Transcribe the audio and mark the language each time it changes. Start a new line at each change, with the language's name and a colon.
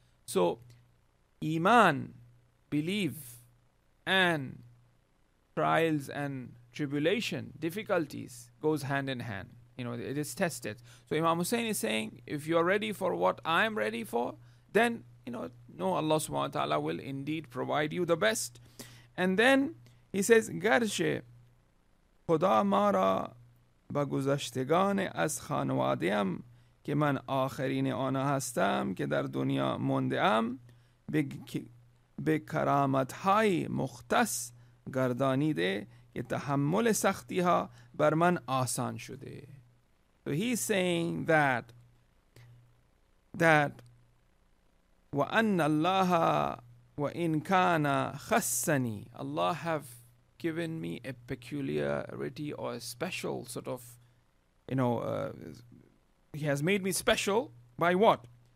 English: So, Iman, belief, and trials and tribulation, difficulties, goes hand in hand. You know, it is tested. So Imam Hussein is saying, if you are ready for what I am ready for, then, you know, Allah subhanahu wa ta'ala will indeed provide you the best. And then, he says, Garche.
Persian: خدا ما را با گذشتگان از خانواده‌ام که من آخرین آنها هستم که در دنیا مونده‌ام به کرامت‌های مختص گردانیده که تحمل سختی‌ها بر من آسان شده.
English: So he's saying that
Arabic: و ان الله و ان کان خصنی الله
English: have given me a peculiarity or a special sort of, you know, he has made me special by what?